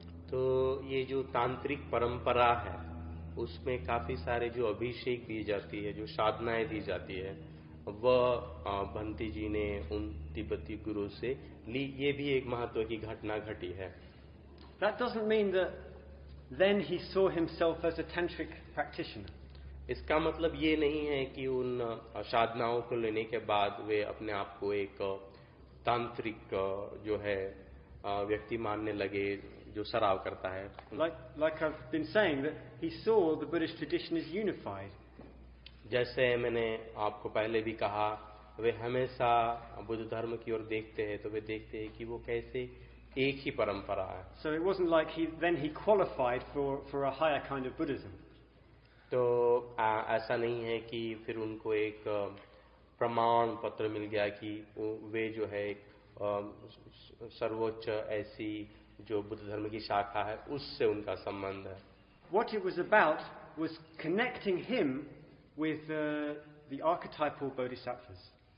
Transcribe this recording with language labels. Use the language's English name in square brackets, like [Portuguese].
[Hindi] तो ये जो तांत्रिक परंपरा है उसमें काफी सारे जो अभिषेक दी जाती है, जो साधनाएं दी जाती है, वह भंती जी ने उन तिब्बती गुरु से ली. ये भी एक महत्व की घटना घटी है. [English] That doesn't mean that then he saw himself as a tantric practitioner. [Hindi] इसका मतलब ये नहीं है कि उन साधनाओं को लेने के बाद वे अपने आप को एक तांत्रिक जो है व्यक्ति मानने लगे जो सराव करता है. [English] Like I've been saying that he saw the Buddhist tradition is unified. [Hindi] जैसे मैंने आपको पहले भी कहा, वे हमेशा बुद्ध धर्म की ओर देखते हैं, तो वे देखते हैं कि वो कैसे एक ही परंपरा है. [English] So it wasn't like he qualified for a higher kind of Buddhism. [Hindi] तो ऐसा नहीं है कि फिर उनको एक प्रमाण पत्र मिल गया कि वे जो है एक सर्वोच्च ऐसी जो बुद्ध धर्म की शाखा है उससे उनका संबंध है. [English] What it was about was connecting him with the archetypal bodhisattvas.